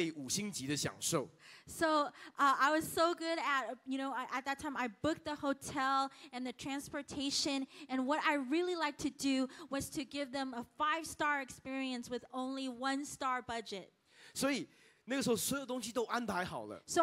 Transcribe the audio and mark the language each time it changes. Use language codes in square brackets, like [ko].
[zh] 所以我们就计划那个旅程，从机票到旅馆，然后我最喜欢的就是给大家一星级的消费，五星级的享受。So [en] I was so good at, you know, at that time I booked the hotel and the transportation, and what I really liked to do was to give them a 5-star experience with only 1-star budget. [zh] 所以那个时候所有东西都安排好了。So